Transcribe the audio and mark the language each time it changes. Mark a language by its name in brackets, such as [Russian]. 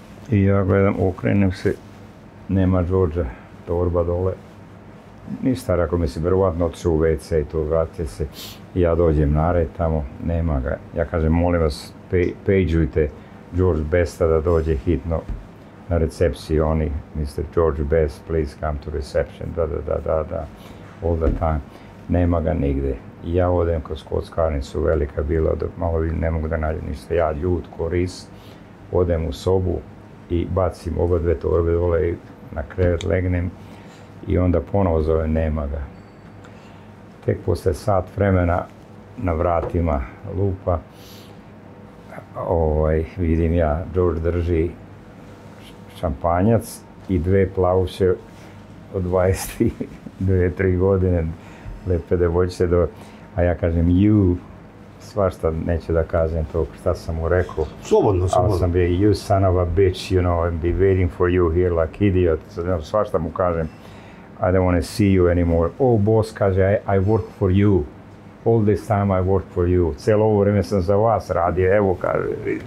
[Serbian] I ja gledam, okrenem se, nema Đorđa, torba dole. Ništa, rekao mi se, verovatno otišao u WC i to vratio se. I ja dođem na red tamo, nema ga. Ja kažem, molim vas, pejđujte George Besta da dođe hitno na recepciji. Oni, Mr. [English] George Best, please come to reception, da, all the time. [Serbian] Nema ga nigde. I ja odem kroz kockarnicu, velika bila, malo vidim, ne mogu da nađem ništa. Ja ljut, koris, odem u sobu. I bacim oba dve torbe dole i na krevet legnem i onda ponovo zove, nema ga. Tek posle sat vremena na vratima lupa, vidim ja, George drži šampanjac i dve plavuše od 22-23 godine, lepe devojčice, a ja kažem, [English] you. [Serbian] Svašta neće da kažem to, šta sam mu rekao. Slobodno. Ali sam bio, [English] you son of a bitch, you know, I'll be waiting for you here like idiot. [Serbian] Svašta mu kažem, [English] I don't want to see you anymore. Oh, boss, [Serbian] kaže, [English] I work for you. All this time I work for you. [Serbian] Celo ovo vreme sam za vas radio, evo, kaže.